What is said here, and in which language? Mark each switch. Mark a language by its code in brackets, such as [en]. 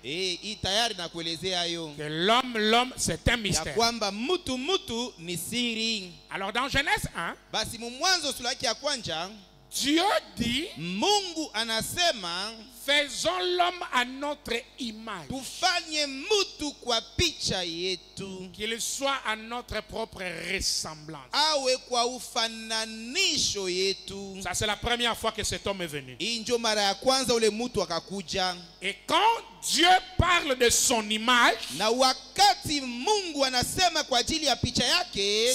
[fr] Que l'homme c'est un mystère. Alors dans Genèse 1, Dieu dit, [sw] Mungu anasema, [fr] Faisons l'homme à notre image. [sw] Tufanye mutu kwa picha yetu. [fr] Qu'il soit à notre propre ressemblance. [sw] Awe kwa ufananisho yetu. [fr] Ça c'est la première fois que cet homme est venu. [sw] Injo mara ya kwanza ule mutu akakuja. [fr] Et quand Dieu parle de son image, [sw] na wakati Mungu anasema kwa ajili ya picha yake,